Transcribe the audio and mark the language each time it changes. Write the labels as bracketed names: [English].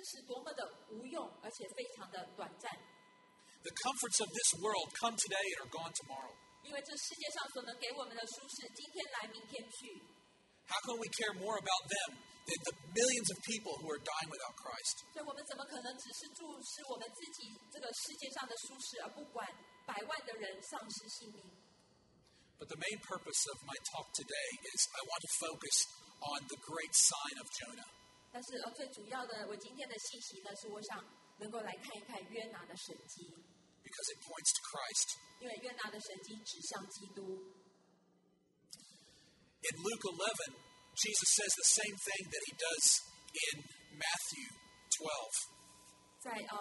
[Chinese] 但是呢，就跟约拿一样，神也让我看见了我自己的舒适是多么的无用，而且非常的短暂。 [English] The comforts of this world come today and are gone tomorrow. [Chinese] 因为这世界上所能给我们的舒适，今天来，明天去。 [English] How can we care more about them than the millions of people who are dying without Christ? But the main purpose of my talk today is I want to focus on the great sign of Jonah. [Chinese] 但是最主要的，我今天的信息呢，是我想能够来看一看约拿的神迹。 [English] Because it points to Christ. [Chinese] 因为约拿的神迹指向基督。 [English] In Luke 11, Jesus says the same thing that he does in Matthew 12.